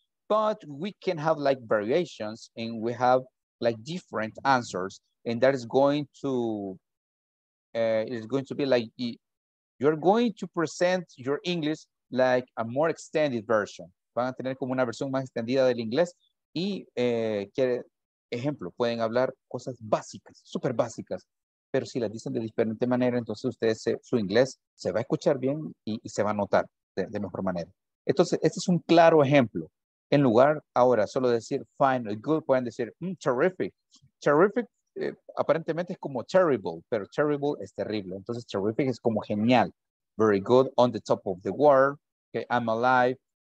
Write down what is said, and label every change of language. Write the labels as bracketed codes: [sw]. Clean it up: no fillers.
[en] But we can have like variations and we have like different answers and that is going to be like you're going to present your English like a more extended version. [es] Van a tener como una versión más extendida del inglés y ejemplo, pueden hablar cosas básicas, super básicas. Pero si las dicen de diferente manera, entonces ustedes su inglés se va a escuchar bien y se va a notar de mejor manera. Entonces, este es un claro ejemplo. En lugar ahora solo decir [en] fine or good, [es] pueden decir terrific. Terrific aparentemente es como terrible, pero terrible es terrible. Entonces, terrific es como genial. [en] Very good, on the top of the world, okay, I'm alive.